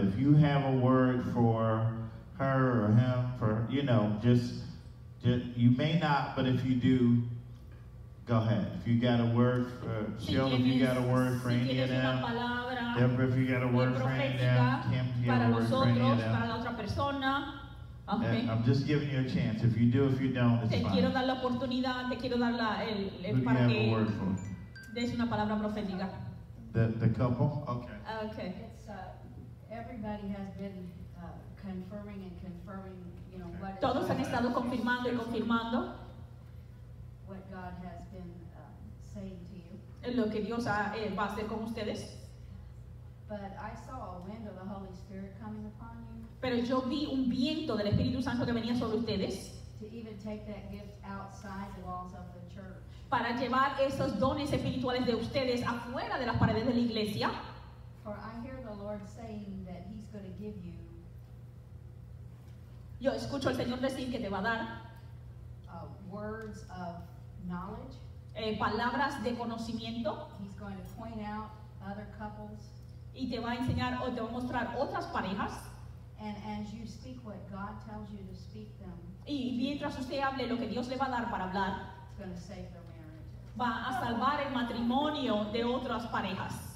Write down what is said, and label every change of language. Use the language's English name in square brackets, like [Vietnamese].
[English] If you have a word for her or him, for just you may not, but if you do, go ahead. If you got a word for Cheryl, if you got a word for any of them, Deborah, if you got a word for any of them, Kim, if you got a word for any of them, okay. I'm just giving you a chance. If you do, if you don't, it's fine. [Spanish] Te quiero dar la oportunidad, te quiero dar la el para que des una palabra profética. [English] The couple? Okay. Okay. It's everybody has been confirming, you know, what [Spanish] todos God han estado confirmando y confirmando [English] what God has been saying to you. [Spanish] Lo que Dios va a hacer con ustedes. [English] But I saw a wind of the Holy Spirit coming upon you. [Spanish] Pero yo vi un viento del Espíritu Santo que venía sobre ustedes. [English] To even take that gift outside the walls of the church. [Spanish] Para llevar esos dones espirituales de ustedes afuera de las paredes de la iglesia. [English] For I hear the Lord saying that he's going to give you. [Spanish] Yo escucho al Señor decir que te va a dar [English] words of knowledge. [Spanish] palabras de conocimiento. [English] He's going to point out other couples. [Spanish] Y te va a enseñar o te va a mostrar otras parejas. [English] And as you speak what God tells you to speak them. [Spanish] Y mientras usted hable lo que Dios le va a dar para hablar, [English] it's going to save their marriages. [Spanish] Va a salvar el matrimonio de otras parejas.